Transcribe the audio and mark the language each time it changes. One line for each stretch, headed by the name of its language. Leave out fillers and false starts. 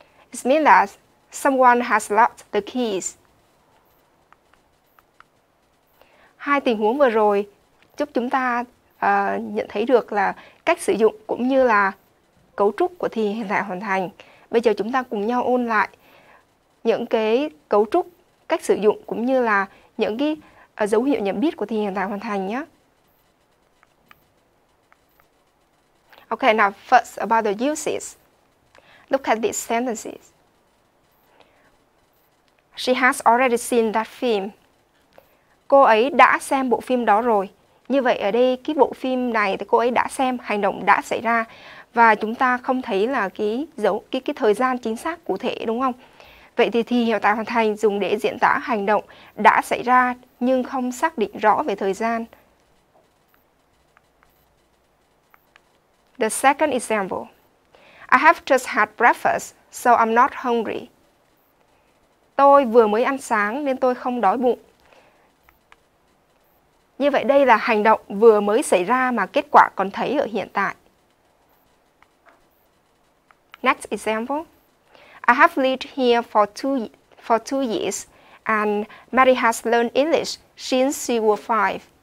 English: It means that someone has lost the keys.
Vietnamese: Hai tình huống vừa rồi giúp chúng ta nhận thấy được là cách sử dụng cũng như là cấu trúc của thì hiện tại hoàn thành. Bây giờ chúng ta cùng nhau ôn lại những cái cấu trúc, cách sử dụng cũng như là những cái dấu hiệu nhận biết của thì hiện tại hoàn thành nhé.
English: Okay, now first about the uses. Look at these sentences. She has already seen that film.
Vietnamese: Cô ấy đã xem bộ phim đó rồi. Như vậy ở đây cái bộ phim này thì cô ấy đã xem, hành động đã xảy ra và chúng ta không thấy là cái thời gian chính xác cụ thể đúng không? Vậy thì hiện tại hoàn thành dùng để diễn tả hành động đã xảy ra nhưng không xác định rõ về thời gian.
English: The second example. I have just had breakfast, so I'm not hungry.
Vietnamese: Tôi vừa mới ăn sáng nên tôi không đói bụng. Như vậy đây là hành động vừa mới xảy ra mà kết quả còn thấy ở hiện tại.
English: Next example. I have lived here for two years and Mary has learned English since she was five.